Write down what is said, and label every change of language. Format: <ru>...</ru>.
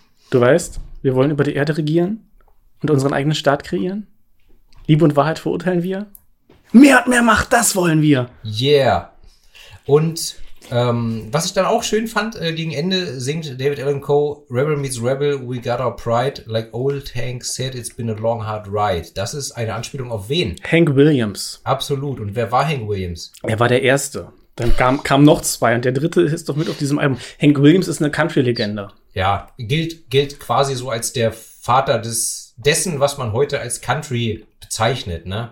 <de>Du weißt, wir wollen über die Erde regieren. Und unseren eigenen Staat kreieren? Liebe und Wahrheit verurteilen wir? Mehr hat mehr Macht, das wollen wir! Yeah! Und was ich dann auch schön fand, gegen Ende singt David Allan Coe Rebel Meets Rebel,</de> <en>we got our pride. Like old Hank said, it's been a long, hard ride.</en> <de>Das ist eine Anspielung auf wen? Hank Williams. Absolut. Und wer war Hank Williams? Er war der Erste. Dann kam noch zwei und der Dritte ist doch mit auf diesem Album. Hank Williams ist eine Country-Legende. Ja, gilt quasi so als der Vater dessen, was man heute als Country bezeichnet, ne?</de>